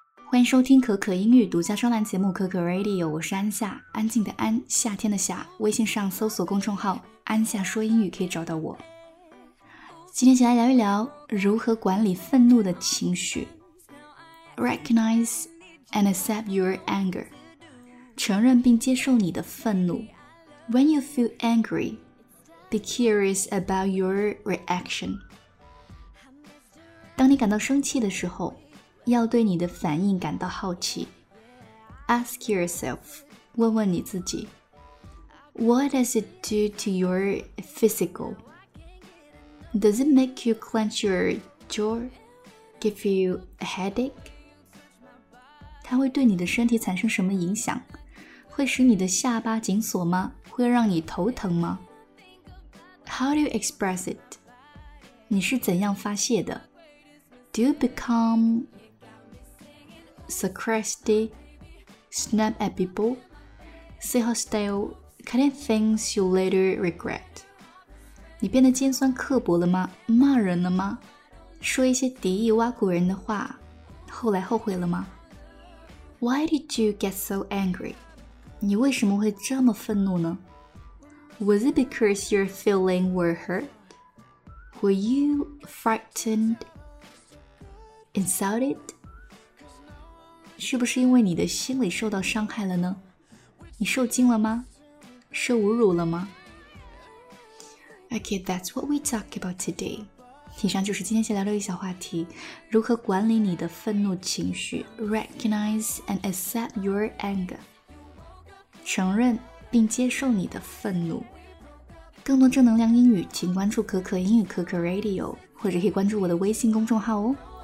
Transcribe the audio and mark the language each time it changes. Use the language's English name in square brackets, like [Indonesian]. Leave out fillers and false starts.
[Chinese] 欢迎收听可可英语独家专栏节目可可 Radio， 我是安夏，安静的安，夏天的夏。微信上搜索公众号安夏说英语可以找到我。今天起来聊一聊如何管理愤怒的情绪。 [English] Recognize and accept your anger， [Chinese] 承认并接受你的愤怒。 [English] When you feel angry, be curious about your reaction。 [Chinese] 当你感到生气的时候，要对你的反应感到好奇。 [English] Ask yourself， [Chinese] 问问你自己， [English] What does it do to your physical？ Does it make you clench your jaw? Give you a headache? [Chinese] 它会对你的身体产生什么影响？会使你的下巴紧锁吗？会让你头疼吗？ [English] How do you express it? [Chinese] 你是怎样发泄的？ [English] Do you become sarcastic? Snap at people? Say hostile? Cutting things you later regret? [Chinese] 你变得尖酸刻薄了吗？骂人了吗？说一些敌意挖苦人的话，后来后悔了吗？ [English] Why did you get so angry? [Chinese] 你为什么会这么愤怒呢？ [English] Was it because your feeling were hurt? Were you frightened? Insulted? [Chinese] 是不是因为你的心里受到伤害了呢？你受惊了吗？受侮辱了吗？ [English] Okay, that's what we talk about today. [Chinese] 以上就是今天先聊的一小话题，如何管理你的愤怒情绪。 [English] Recognize and accept your anger. [Chinese] 承认并接受你的愤怒。更多正能量英语，请关注可可英语可可 Radio， 或者可以关注我的微信公众号哦。